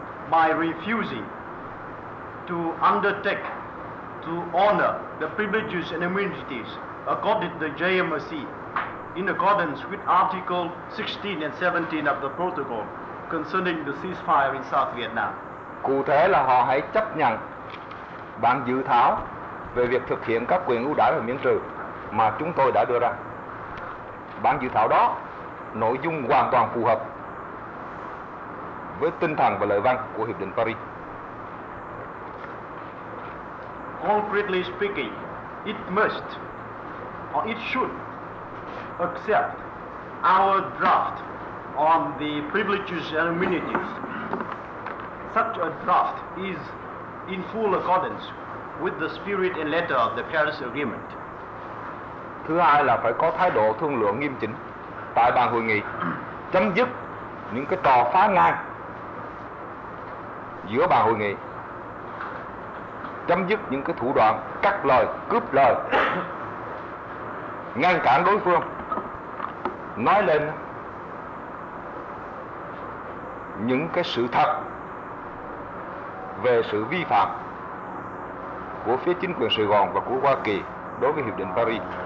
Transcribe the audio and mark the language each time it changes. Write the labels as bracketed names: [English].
[English] by refusing to undertake to honor the privileges and immunities accorded the JMC in accordance with Article 16 and 17 of the protocol concerning the ceasefire in South Vietnam. [Vietnamese] Cụ thể là họ hãy chấp nhận bản dự thảo về việc thực hiện các quyền ưu đãi và miễn trừ mà chúng tôi đã đưa ra. Bản dự thảo đó nội dung hoàn toàn phù hợp với tinh thần và lời văn của Hiệp định Paris. [English] Concretely speaking, it must or it should accept our draft on the privileges and immunities. Such a draft is in full accordance with the spirit and letter of the Paris Agreement. [Vietnamese] Thứ hai là phải có thái độ thương lượng nghiêm chỉnh tại bàn hội nghị, chấm dứt những cái trò phá ngang giữa bàn hội nghị, chấm dứt những cái thủ đoạn cắt lời, cướp lời, ngăn cản đối phương nói lên những cái sự thật về sự vi phạm của phía chính quyền Sài Gòn và của Hoa Kỳ đối với Hiệp định Paris.